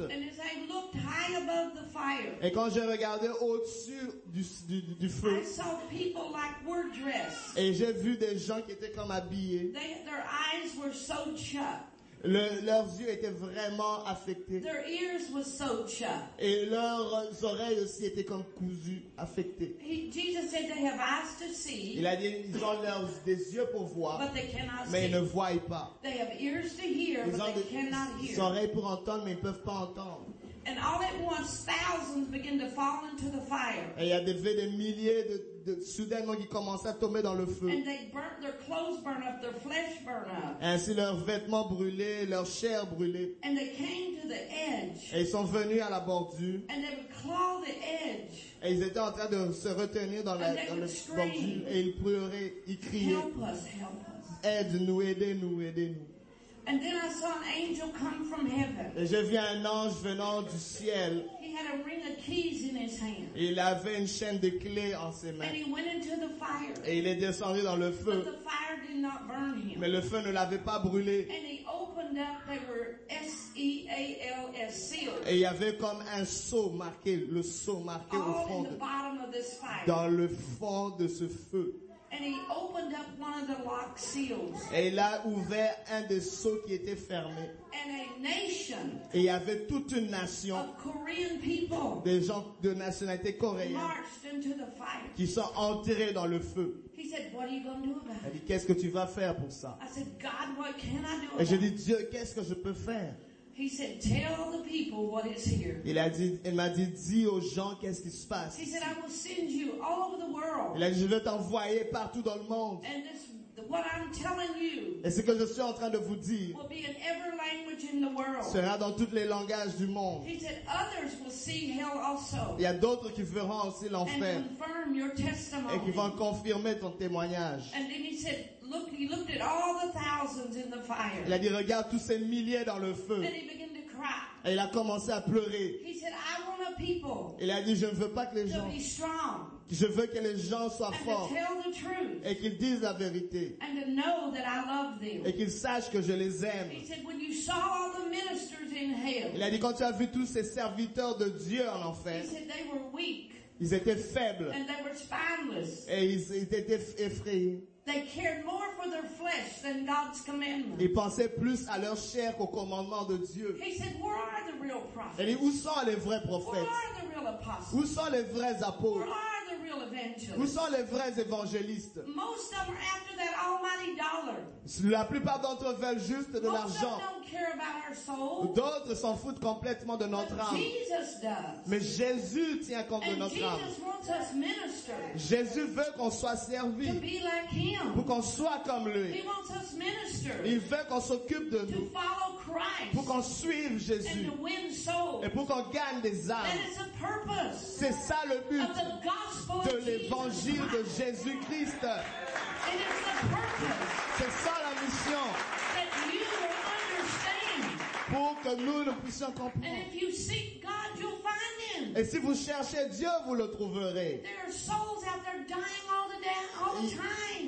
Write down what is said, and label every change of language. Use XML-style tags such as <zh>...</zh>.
<en>And as I looked high above the fire.</en> <fr>Et quand j'ai regardé au-dessus du feu,</fr> <en>I saw people like were dressed.</en> <fr>Et j'ai vu des gens qui étaient comme habillés.</fr> <en>Their eyes were so chapped.</en> <fr>Leurs yeux étaient vraiment affectés.</fr> <en>Their ears were so chapped.</en> <fr>Et leurs oreilles aussi étaient comme cousues, affectées.</fr> <en>Jesus said they have eyes to see.</en> <fr>Il a dit ils ont des yeux pour voir,</fr> <en>but they cannot</en> <fr>mais Ils ne voient pas.</fr> <en>They have ears to hear,</en> <fr>ils ont</fr> <en>but they cannot hear.</en> <fr>Des oreilles pour entendre, mais ils ne peuvent pas entendre.</fr> <en>And all at once, thousands begin to fall into the fire.</en> <fr>Et il y a des milliers de soudainement qui commençaient à tomber dans le feu.</fr> <en>And they burnt their clothes, burn up their flesh, burn up.</en> <fr>Et ainsi leurs vêtements brûlaient, leur chair brûlait.</fr> <en>And they came to the edge.</en> <fr>Et ils sont venus à la bordure.</fr> <en>And they would claw the edge.</en> <fr>Et ils étaient en train de se retenir dans la bordure. Et ils pleuraient, ils criaient.</fr> <en>Help us, help us.</en> <fr>Aide-nous, aidez-nous, aidez-nous.</fr> <en>And then I saw an angel come from heaven.</en> <fr>Et j'ai vu un ange venant du ciel.</fr> <en>He had a ring of keys in his hand.</en> <fr>Il avait une chaîne de clés en ses mains.</fr> <en>And he went into the fire.</en> <fr>Et il est descendu dans le feu.</fr> <en>But the fire did not burn him.</en> <fr>Mais le feu ne l'avait pas brûlé.</fr> <en>And he opened up, they were S-E-A-L-S sealed.</en> <fr>Et il y avait comme un sceau marqué, le sceau marqué</fr> <en>all</en> <fr>au fond.</fr> <en>In the bottom of this fire.</en> <fr>Dans le fond de ce feu.</fr> <en>And he opened up one of the lock seals.</en> <fr>Et il a ouvert un des sceaux qui était fermé.</fr> <en>And a nation.</en> <fr>Et il y avait toute une nation.</fr> <en>Of Korean people.</en> <fr>Des gens de nationalité coréenne.</fr> <en>Marched into the fire.</en> <fr>Qui sont entrés dans le feu.</fr> <en>He said, "What are you going to do about it?"</en> <fr>Elle dit, qu'est-ce que tu vas faire pour ça?</fr> <en>I said, "God, what can I do about</en> <fr>it?" Et je dis, Dieu, qu'est-ce que je peux faire?</fr> <en>He said, "Tell the people what is here."</en> <fr>Il m'a dit, dis aux gens qu'est-ce qui se passe.</fr> <en>He said, "I will send you all over the world."</en> <fr>Il a dit, je vais t'envoyer partout dans le monde.</fr> <en>And this, what I'm telling you.</en> <fr>Et ce que je suis en train de vous dire.</fr> <en>Will be in every language in the world.</en> <fr>Sera dans toutes les langages du monde.</fr> <en>He said, "Others will see hell also."</en> <fr>Il y a d'autres qui verront aussi l'enfer.</fr> <en>And confirm your testimony.</en> <fr>Et qui vont confirmer ton témoignage.</fr> <en>And then he said, look, he looked at all the thousands in the fire.</en> <fr>Il a dit, regarde tous ces milliers dans le feu.</fr> <en>Then he began to cry.</en> <fr>Et il a commencé à pleurer.</fr> <en>He said, "I want a people."</en> <fr>Il a dit, je ne veux pas que les gens.</fr> <en>To be strong.</en> <fr>Je veux que les gens soient</fr> <en>and</en> <fr>forts.</fr> <en>To tell the truth.</en> <fr>Et qu'ils disent la vérité.</fr> <en>And to know that I love them.</en> <fr>Et qu'ils sachent que je les aime.</fr> <en>He said, when you saw all the ministers in hell.</en> <fr>Il a dit, quand tu as vu tous ces serviteurs de Dieu en enfer.</fr> <en>He said, they were weak.</en> <fr>Ils étaient faibles.</fr> <en>And they were spineless.</en> <fr>Et ils étaient effrayés.</fr> <en>They cared more for their flesh than God's commandments.</en> <fr>Ils pensaient plus à leur chair qu'aux commandements de Dieu.</fr> <en>He said, "Where are the real prophets?</en> <fr>Et où sont les vrais prophètes?</fr> <en>Where are the real apostles?</en> <fr>Où sont les vrais apôtres?</fr> <en>Where are the real evangelists?</en> <fr>Où sont les vrais évangélistes?</fr> <en>Most of them are after that almighty dollar.</en> <fr>La plupart d'entre eux veulent juste de l'argent.</fr> <en>Most of them don't care about our soul.</en> <fr>D'autres s'en foutent complètement de notre âme.</fr> <en>Jesus does.</en> <fr>Mais Jésus tient compte</fr> <en>and</en> <fr>de notre</fr> <en>Jesus</en> <fr>âme.</fr> <en>Wants us minister.</en> <fr>Jésus veut qu'on soit servi.</fr> <en>To be like him.</en> <fr>Pour qu'on soit comme lui.</fr> <en>He wants us minister.</en> <fr>Il veut qu'on s'occupe de nous.</fr> <en>To follow Christ.</en> <fr>Pour qu'on suive Jésus.</fr> <en>And to win souls.</en> <fr>Et pour qu'on gagne des âmes.</fr> <en>That is a purpose.</en> <fr>C'est ça le but</fr> <en>of the gospel</en> <fr>de l'évangile de Jésus-Christ.</fr> <en>And it's a purpose.</en> <fr>C'est ça la mission.</fr> <en>That you will understand.</en> <fr>Pour que nous le puissions comprendre.</fr> <en>And if you seek God, you'll find him.</en> <fr>Et si vous cherchez Dieu, vous le trouverez.</fr> <en>There are souls out there dying all the day, all the time.</en>